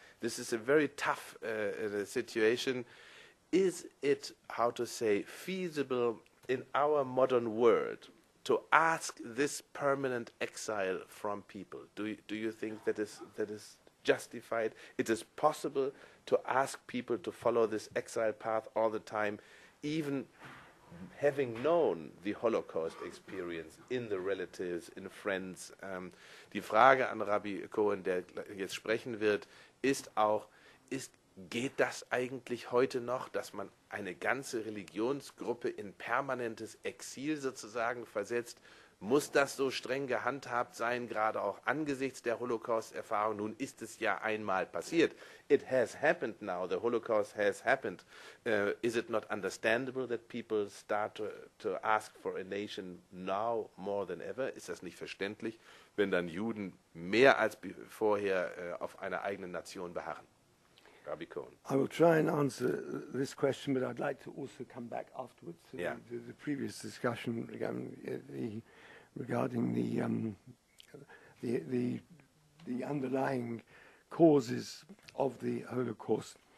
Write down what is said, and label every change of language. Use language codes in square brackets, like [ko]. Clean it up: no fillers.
[en] This is a very tough situation. Is it, how to say, feasible in our modern world to ask this permanent exile from people? Do you think that is justified? It is possible to ask people to follow this exile path all the time, even having known the Holocaust experience in the relatives, in friends. [de] Die Frage an Rabbi Cohen, der jetzt sprechen wird, ist auch, geht das eigentlich heute noch, dass man eine ganze Religionsgruppe in permanentes Exil sozusagen versetzt? Muss das so streng gehandhabt sein, gerade auch angesichts der Holocaust-Erfahrung? Nun ist es ja einmal passiert. [en] It has happened now. The Holocaust has happened. Is it not understandable that people start to ask for a nation now more than ever? [de] Ist das nicht verständlich, wenn dann Juden mehr als vorher auf einer eigenen Nation beharren? Rabbi Cohen. [en] I will try and answer this question, but I'd like to also come back afterwards to the previous discussion regarding the underlying causes of the Holocaust.